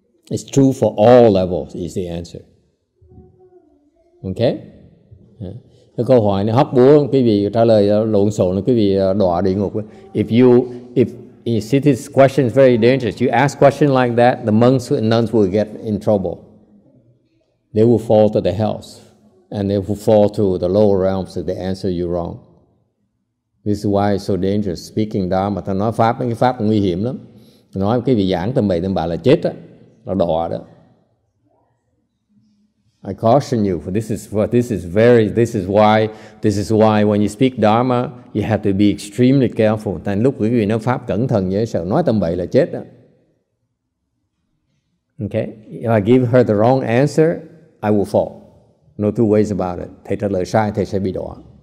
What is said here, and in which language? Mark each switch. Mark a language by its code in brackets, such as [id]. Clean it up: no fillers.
[en] It's true for all levels, is the answer. Okay? Yeah. [vi] Câu hỏi này hóc búa, quý vị trả lời lộn xộn, quý vị đọa địa ngục. [en] If you see, this question is very dangerous. You ask question like that, the monks and nuns will get in trouble. They will fall to the hells, and they will fall to the lower realms if they answer you wrong. This is why it's so dangerous speaking Dharma. [vi] Ta nói pháp, cái pháp nguy hiểm lắm. Nói cái vị giảng tầm bậy tầm bạ là chết á, là đọa đó. [en] I caution you, for this is why when you speak Dharma, you have to be extremely careful. [vi] Tại lúc quý vị nói pháp cẩn thận như sợ nói tầm bậy là chết đó. [en] Okay, if I give her the wrong answer, I will fall. No two ways about it. [vi] Thầy trả lời sai, thầy sẽ bị đọa.